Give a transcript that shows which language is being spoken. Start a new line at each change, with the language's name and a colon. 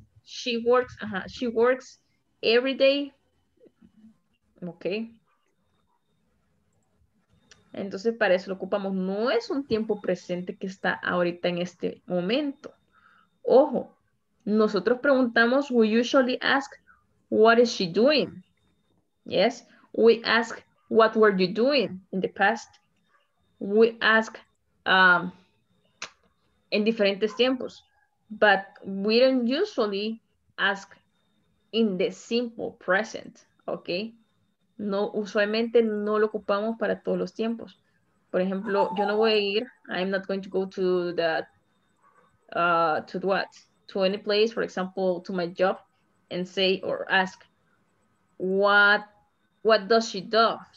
English: She works, she works every day, ¿ok?
Spanish: Entonces, para eso lo ocupamos. No es un tiempo presente que está ahorita en este momento. Ojo, nosotros preguntamos,
English: we usually ask, What is she doing? Yes, we ask, what were you doing in the past? We ask
Spanish: en diferentes tiempos,
English: but we don't usually ask in the simple present, okay?
Spanish: No, usualmente no lo ocupamos para todos los tiempos. Por ejemplo, yo no voy a ir,
English: I'm not going to go to that, to any place, for example, to my job, and say or ask, what does she do?